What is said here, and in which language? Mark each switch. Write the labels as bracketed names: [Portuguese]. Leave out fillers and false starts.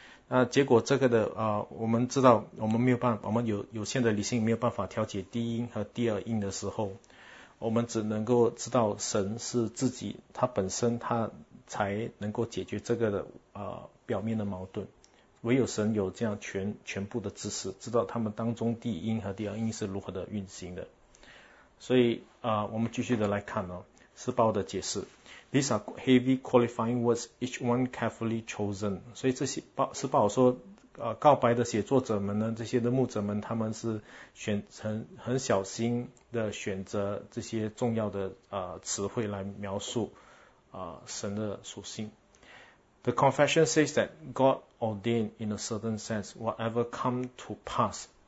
[Chinese] 那结果这个的我们知道，我们没有办法，我们有限的理性没有办法调节第一因和第二因的时候，我们只能够知道神是自己，他本身他才能够解决这个的表面的矛盾。唯有神有这样全部的知识，知道他们当中第一因和第二因是如何的运行的。所以我们继续的来看哦。斯鲍的解释， [English] These are heavy qualifying words, each one carefully chosen。 [Chinese] 所以这些斯鲍说，告白的写作者们呢，这些的牧者们，他们是选很小心的选择这些重要的词汇来描述神的属性。 [English] The confession says that God ordained in a certain sense whatever come to pass。